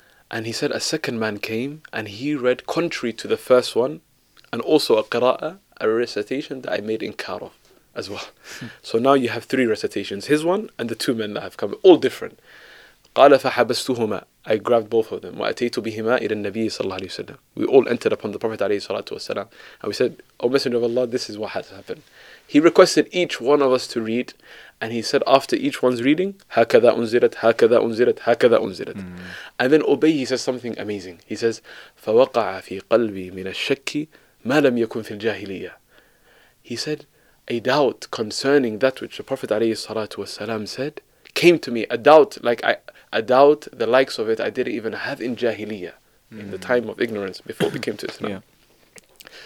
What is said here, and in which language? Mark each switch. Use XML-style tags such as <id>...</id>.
<en>And he said, a second man came and he read contrary to the first one and also a قراءة, a recitation that I made inkar of as well. So now you have three recitations, his one and the two men that have come, all different.</en> <ar>قَالَ فَحَبَسْتُهُمَا</ar> <en>I grabbed both of them.</en> <ar>وَأَتَيْتُ بِهِمَا إِلَى النَّبِيِّ صَلَّى اللَّهُ عَلَيْهِ وَسَلَّمَ</ar> <en>We all entered upon the Prophet</en> <ar>عليه الصلاة والسلام.</ar> <en>And we said, O Messenger of Allah, this is what has happened. He requested each one of us to read. And he said, after each one's reading,</en> <ar>هَكَذَا أُنزِلَتْ هَكَذَا أُنزِلَتْ هَكَذَا أُنزِلَتْ</ar> <en>And then Ubay, he says something amazing. He says,</en> <ar>فَوَقَعَ فِي قَلْبِي مِنَ الشَّكِّ مَا لَمْ يَكُنْ فِي الْجَاهِلِيَّةِ</ar> <en>He said, a doubt concerning that which the Prophet والسلام, said, came to me, a doubt the likes of it I didn't even have in Jahiliyyah, in the time of ignorance before we came to Islam. Yeah.</en>